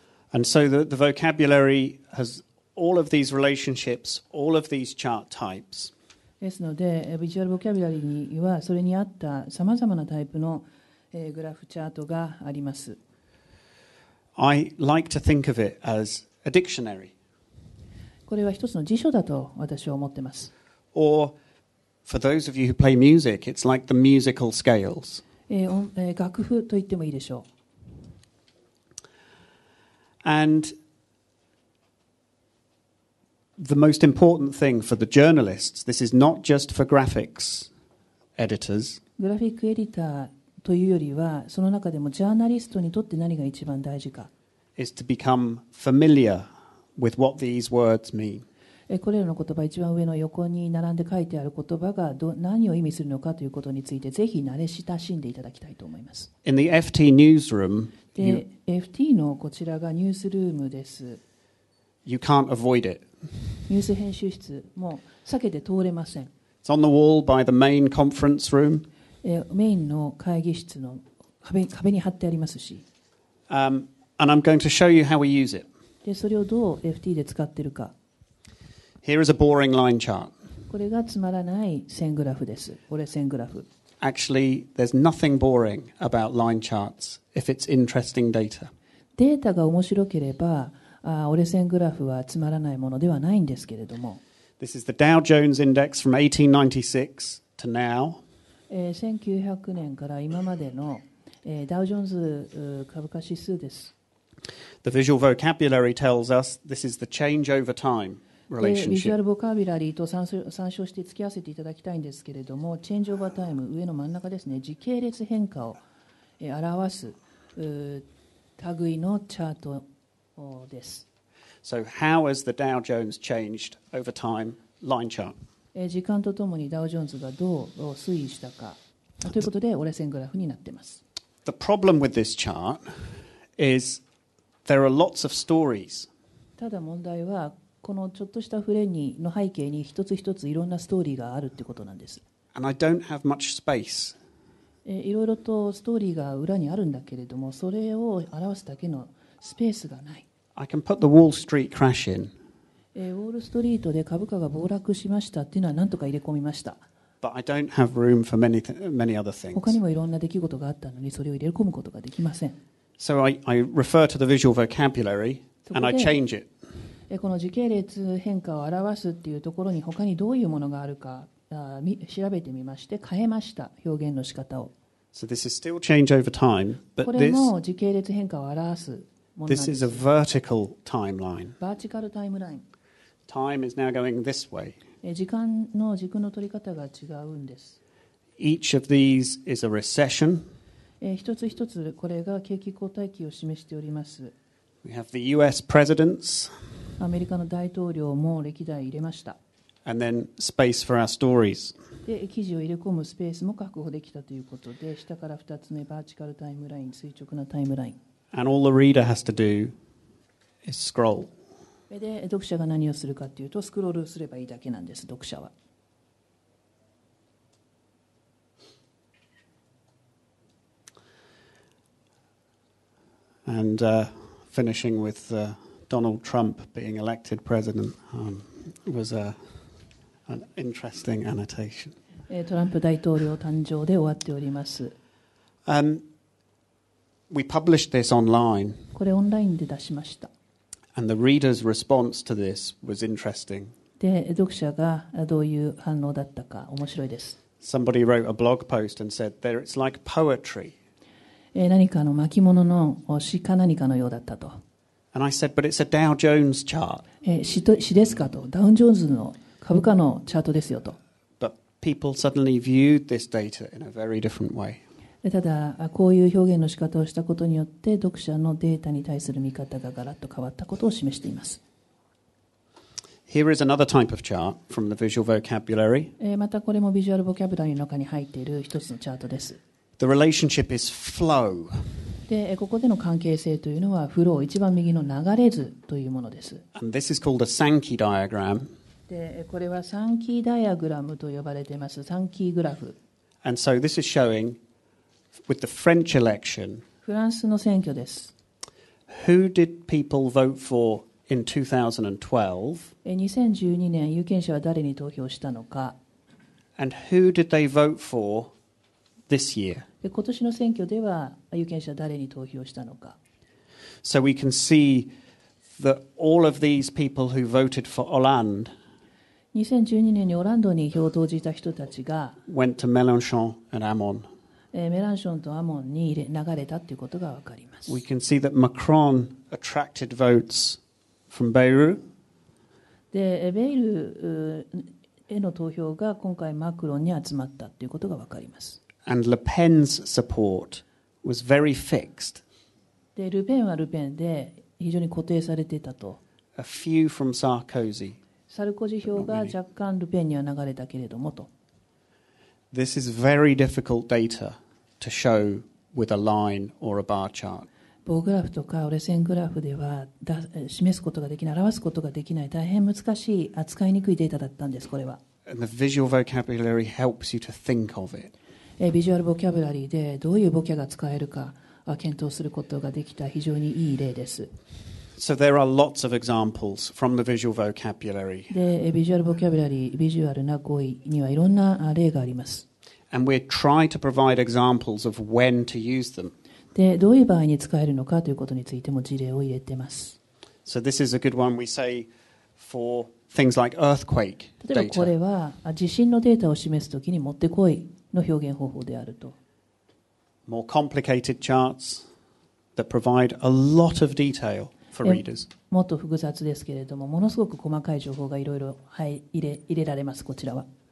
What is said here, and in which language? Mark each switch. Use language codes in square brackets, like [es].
[en] And so the vocabulary has all of these relationships, all of these chart types. [ja] ですので、ビジュアルボキャビラリーにはそれに合ったさまざまなタイプのグラフチャートがあります。 [en] I like to think of it as a dictionary. [ja] これは一つの辞書だと私は思ってます。 [en] Or for those of you who play music, it's like the musical scales. [ja] 楽譜と言ってもいいでしょう。 [en] And the most important thing for the journalists, this is not just for graphics editors. [ja] グラフィックエディターというよりは、その中でもジャーナリストにとって何が一番大事か。 [en] is to become familiar with what these words mean. [ja] これらの言葉、一番上の横に並んで書いてある言葉が何を意味するのかということについて、ぜひ慣れ親しんでいただきたいと思います。 [en] In the FT newsroom, [ja] で、FT のこちらがニュースルームです。 [en] You can't avoid it. [ja] ニュース編集室、もう避けて通れません。 [en] It's on the wall by the main conference room. [ja] メインの会議室の壁に貼ってありますし。 [en] And I'm going to show you how we use it. [ja] で、それをどう FT で使ってるか。 [en] Here is a boring line chart. [ja] これがつまらない線グラフです。これ線グラフ。 [en] Actually, there's nothing boring about line charts if it's interesting data. [ja] データが面白ければ、折れ線グラフはつまらないものではないんですけれども。 [en] This is the Dow Jones Index from 1896 to now. [ja] 1900年から今までの、ダウジョンズ株価指数です。 [en] The visual vocabulary tells us this is the change over time. [ja] ビジュアルボカビュラリーと参照して付き合わせていただきたいんですけれども、チェンジオーバータイム、上の真ん中ですね、時系列変化を表す類のチャートです。 [en] So how has the Dow Jones changed over time? Line chart. [ja] 時間とともにダウジョンズがどう推移したかということで折れ線グラフになっています。 [en] The problem with this chart is there are lots of stories. [ja] ただ問題はこのちょっとしたフレームの背景に一つ一ついろんなストーリーがあるってことなんです。 [en] And I don't have much space. [ja] いろいろとストーリーが裏にあるんだけれども、それを表すだけのスペースがない。 [en] I can put the Wall Street crash in. [ja] ウォールストリートで株価が暴落しましたっていうのは何とか入れ込みました。 [en] But I don't have room for many other things. [ja] 他にもいろんな出来事があったのにそれを入れ込むことができません。 [en] So I refer to the visual vocabulary and I change it. [ja] この時系列変化を表すというところに他にどういうものがあるか調べてみまして変えました表現の仕方を。 [en] So this is still change over time, but [ja] これも時系列変化を表すものです。 [en] This is a vertical timeline. [ja] バーチカルタイムライン。 [en] Time is now going this way. [ja] 時間の軸の取り方が違うんです。 [en] Each of these is a recession. [ja] 一つ一つこれが景気後退期を示しております。 [en] We have the U.S. presidents. [ja] アメリカの大統領も歴代入れました。 [en] And then space for our stories. [ja] で、記事を入れ込むスペースも確保できたということで、下から2つ目、バーチカルタイムライン、垂直なタイムライン。 [en] And all the reader has to do is scroll. [ja] で、読者が何をするかというと、スクロールすればいいだけなんです、読者は。 [en] And finishing with the... Donald Trump being elected president was an interesting annotation. [ja] トランプ大統領誕生で終わっております。 [en] We published this online. [ja] これオンラインで出しました。 [en] And the reader's response to this was interesting. [ja] で、読者がどういう反応だったか面白いです。 [en] Somebody wrote a blog post and said that it's like poetry. [ja] 何かの巻物の詩か何かのようだったと。 [en] And I said, but it's a Dow Jones chart. [ja] 詩ですかと、ダウンジョーンズの株価のチャートですよと。 [en] But people suddenly viewed this data in a very different way. [ja] ただこういう表現の仕方をしたことによって読者のデータに対する見方がガラッと変わったことを示しています。 [en] Here is another type of chart from the visual vocabulary. [ja] またこれもビジュアルボキャブラリーの中に入っている一つのチャートです。 [en] The relationship is flow. [ja] でここでの関係性というのはフロー一番右の流れ図というものです。 [en] And this is called a Sankey diagram. [ja] でこれはサンキーダイアグラムと呼ばれています。サンキーグラフ。 [en] And so this is showing with the French election. [ja] フランスの選挙です。 [en] Who did people vote for in 2012? [ja] 2012年有権者は誰に投票したのか。 [en] And who did they vote for this year? [ja] で今年の選挙では有権者誰に投票したのか。 [en] So we can see that all of these people who voted for Hollande [ja] 2012年にオランドに票を投じた人たちが [en] went to Mélenchon and Amon. [ja] メランションとアモンに流れたということがわかります。 [en] We can see that Macron attracted votes from Beirut. [ja] で、ベイルへの投票が今回マクロンに集まったということがわかります。 [en] And Le Pen's support was very fixed. [ja] で、ルペンはルペンで非常に固定されていたと。 [en] A few from Sarkozy. [ja] サルコジ票が若干ルペンには流れたけれどもと。 [en] This is very difficult data to show with a line or a bar chart. [ja] 棒グラフとか折れ線グラフでは示すことができない、表すことができない、大変難しい、扱いにくいデータだったんです、これは。 [en] And the visual vocabulary helps you to think of it. [ja] ビジュアルボキャブラリーでどういうボキャが使えるか検討することができた非常にいい例です。 [en] So there are lots of examples from the visual vocabulary. [ja] で、ビジュアルボキャブラリー、ビジュアルな語彙にはいろんな例があります。 [en] And we try to provide examples of when to use them. [ja] で、どういう場合に使えるのかということについても事例を入れてます。 [en] So this is a good one we say for things like earthquake data. [ja] 例えばこれは地震のデータを示すときにもってこいの表現方法であると。 [en] More complicated charts that provide a lot of detail. [ja] もっと複雑ですけれども、ものすごく細かい情報がいろいろ入れられます、こちらは。